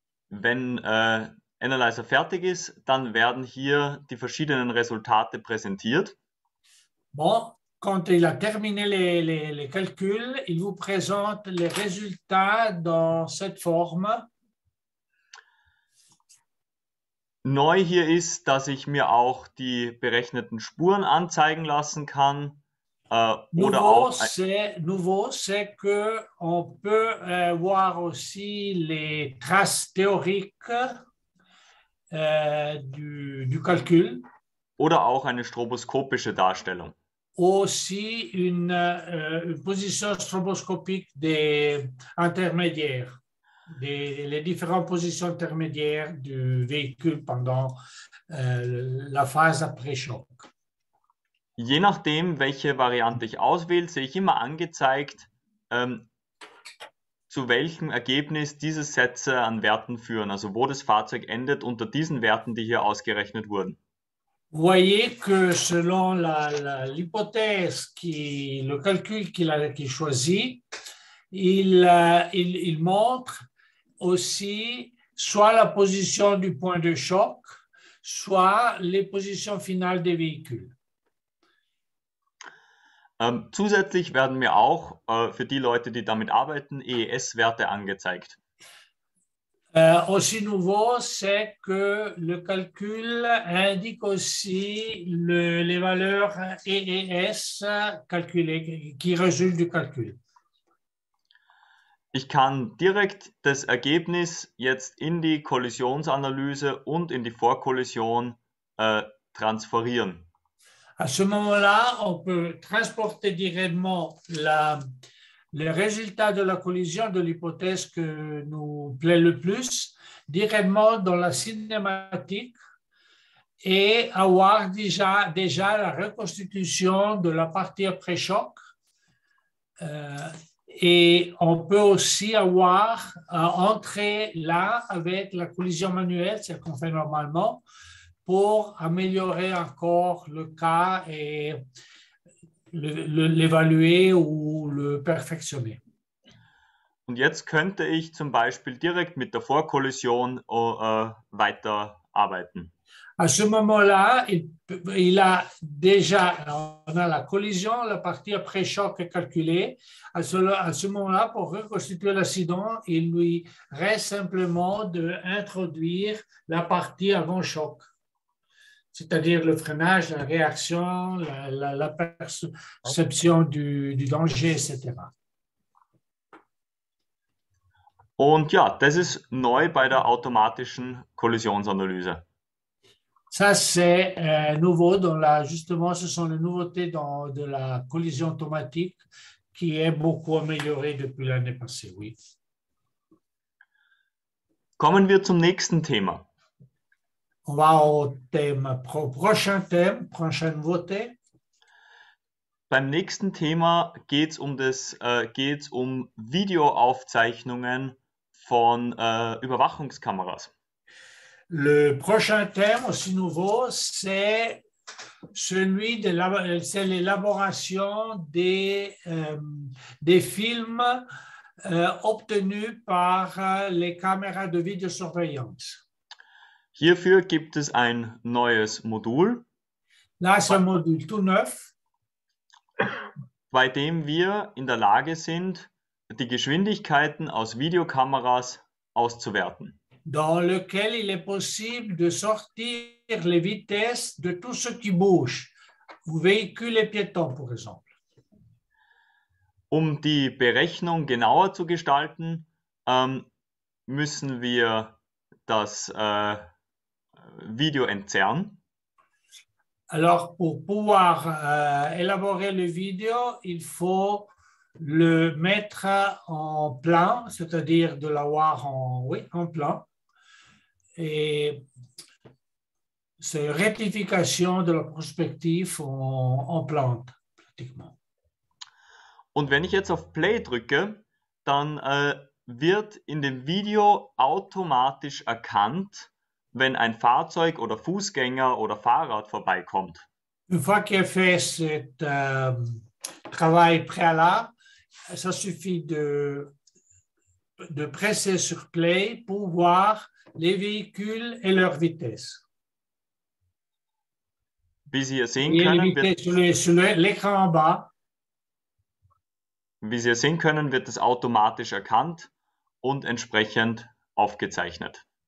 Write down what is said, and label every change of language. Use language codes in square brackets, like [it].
[de] Wenn Analyzer fertig ist, dann werden hier die verschiedenen Resultate präsentiert. [fr] Bon, quand il a terminé les calculs, il vous présente les résultats dans cette forme. [de] Neu hier ist, dass ich mir auch die berechneten Spuren anzeigen lassen kann. [fr] C'est que on peut voir aussi les traces théoriques du calcul. [de] Oder auch eine stroboskopische Darstellung. [fr] Aussi une position stroboscopique des intermédiaires, les différentes positions intermédiaires du véhicule pendant la phase après-choc. [de] Je nachdem, welche Variante ich auswähle, sehe ich immer angezeigt, zu welchem Ergebnis diese Sätze an Werten führen, also wo das Fahrzeug endet unter diesen Werten, die hier ausgerechnet wurden. [fr] Vous voyez que selon l'hypothèse, le calcul qu'il choisit, il montre aussi soit la position du point de choc, soit les positions finales des véhicules. [de] Zusätzlich werden mir auch für die Leute, die damit arbeiten, EES-Werte angezeigt. [fr] Aussi nouveau, c'est que le calcul indique aussi les valeurs EES calculées, qui résultent du calcul. [de] Ich kann direkt das Ergebnis jetzt in die Kollisionsanalyse und in die Vorkollision transferieren. [fr] À ce moment-là, on peut transporter directement le résultat de la collision de l'hypothèse que nous plaît le plus directement dans la cinématique et avoir déjà la reconstitution de la partie après-choc. Et on peut aussi avoir entrer là avec la collision manuelle, c'est ce qu'on fait normalement, pour améliorer encore le cas et l'évaluer ou le perfectionner. [de] Und jetzt könnte ich zum Beispiel direkt mit der Vorkollision weiterarbeiten. [fr] À ce moment-là, il a déjà on a la collision, la partie après-choc est calculée. À ce moment-là, pour reconstituer l'accident, il lui reste simplement d'introduire la partie avant-choc. C'est-à-dire le freinage, la réaction, la perception du danger, etc. [de] Und ja, das ist neu bei der automatischen Kollisionsanalyse. [fr] Ça, c'est nouveau. Justement, ce sont les nouveautés de la collision automatique qui est beaucoup améliorée depuis l'année passée, oui. [de] Kommen wir zum nächsten Thema. [fr] On va au thème, prochain thème, prochain nouveauté. [de] Beim nächsten Thema geht's um Videoaufzeichnungen von Überwachungskameras. [fr] Le prochain thème, aussi nouveau, c'est celui de c'est l'élaboration des films obtenus par les caméras de vidéosurveillance. [de] Hierfür gibt es ein neues Modul, [fr] Là, c'est un module tout neuf. [de] bei dem wir in der Lage sind, die Geschwindigkeiten aus Videokameras auszuwerten. [fr] Dans lequel il est possible de sortir les vitesses de tout ce qui bouge, ou véhicules et piétons, par exemple. [de] Um die Berechnung genauer zu gestalten, müssen wir das Video entfernen. [fr] Alors, pour pouvoir élaborer le vidéo, il faut le mettre en plan, c'est-à-dire de l'avoir en plan. Et c'est rectification de la prospective en plante, pratiquement. [de] Und wenn ich jetzt auf Play drücke, dann wird in dem Video automatisch erkannt, wenn ein Fahrzeug oder Fußgänger oder Fahrrad vorbeikommt. [fr] Une fois qu'il a fait cet travail préalable, ça suffit de presser sur play pour voir les véhicules et leur vitesse. [de] Wie Sie hier sehen [fr] Et les [de] können, wird [fr] vitesses sur l'écran en bas. [de] Wird es automatisch erkannt und entsprechend aufgezeichnet.